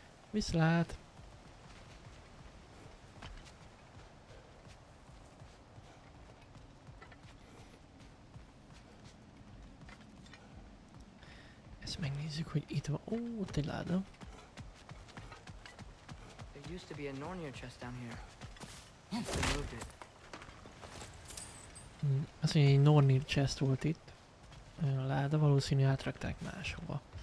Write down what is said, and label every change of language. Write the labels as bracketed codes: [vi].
[hu] Viszlát. Ezt megnézzük, hogy itt van. Ó, ott egy láda. [en] There used to be a Narnia chest down here. They moved it. [hu] Azt mondja, hogy egy Nornir chest volt itt. Láda, valószínűleg átrakták máshova.